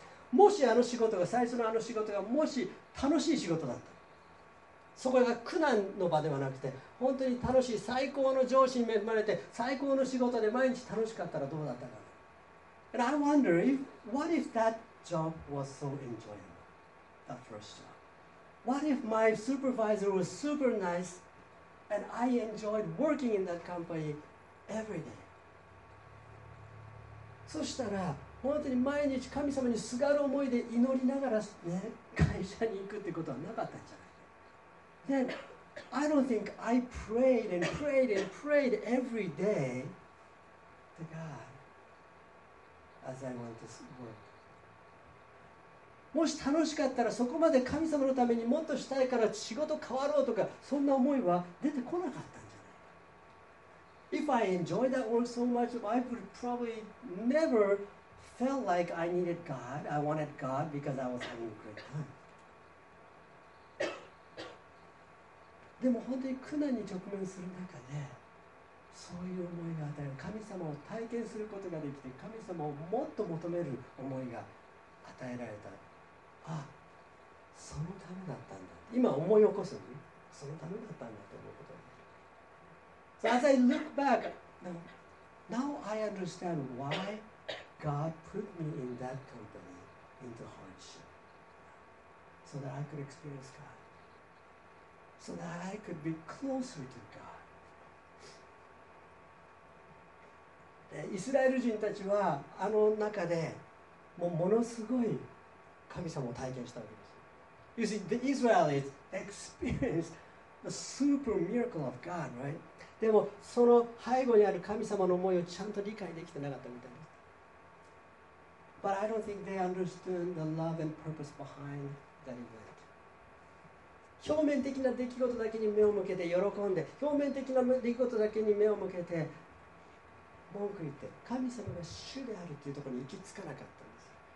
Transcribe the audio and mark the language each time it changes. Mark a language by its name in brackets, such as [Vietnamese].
[Japanese] もしあの仕事が、最初のあの仕事がもし楽しい仕事だった、そこが苦難の場ではなくて本当に楽しい最高の上司に恵まれて最高の仕事で毎日楽しかったらどうだったかな。 [English] And I wonder if, what if that job was so enjoyable, that first job? What if my supervisor was super nice and I enjoyed working in that company every day? [Japanese] そしたら本当に毎日神様にすがる思いで祈りながら、ね、会社に行くってことはなかったんじゃない。 [English] Then I don't think I prayed and prayed and prayed every day to God as I want to work. [Japanese] もし楽しかったらそこまで神様のためにもっとしたいから仕事変わろうとかそんな思いは出てこなかったんじゃない。 [English] If I enjoyed that work so much, I would probably neverfelt like I needed God, I wanted God because I was having a great time. [Japanese] でも本当に苦難に直面する中でそういう思いが与える、神様を体験することができて神様をもっと求める思いが与えられた。あ、そのためだったんだ。今思い起こすのに、そのためだったんだと思うこと。 [English] So as I look back, now I understand whyGod put me in that company into hardship so that I could experience God, so that I could be closer to God. [Japanese] イスラエル人たちはあの中で ものすごい神様を体験したわけです。 [English] You see, the Israelites experienced a super miracle of God, right? [Japanese] でもその背後にある神様の思いをちゃんと理解できてなかったみたいな。 [English] But I don't think they understood the love and purpose behind that he went. [Japanese] 表面的な出来事だけに目を向けて喜んで、表面的な出来事だけに目を向けて文句言って、神様が主であるというところに行き着かなかったんです。